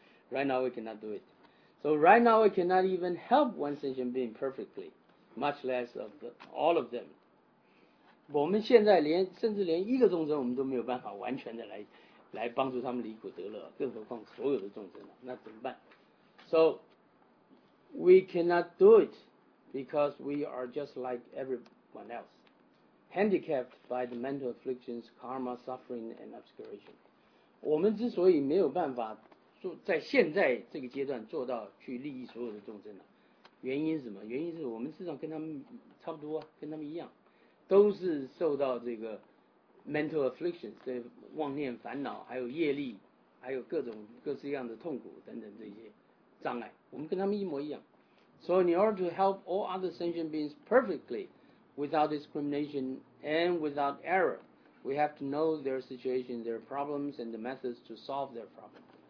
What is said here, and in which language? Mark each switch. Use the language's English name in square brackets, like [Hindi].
[English] Right now we cannot do it. So right now, I cannot even help one sentient being perfectly, much less of all of them. [Chinese] 我们现在连甚至连一个众生，我们都没有办法完全的来帮助他们离苦得乐，更何况所有的众生了。那怎么办 [English] ？So we cannot do it because we are just like everyone else, handicapped by the mental afflictions, karma, suffering, and obscuration. [Chinese] 我们之所以没有办法在现在这个阶段做到去利益所有的众生了，原因是什么？原因是我们至少跟他们差不多，跟他们一样，都是受到这个 mental afflictions， 这妄念烦恼，还有业力，还有各种各式各样的痛苦等等这些障碍，我们跟他们一模一样。 [English] So in order to help all other sentient beings perfectly, without discrimination and without error, we have to know their situation, their problems, and the methods to solve their problems.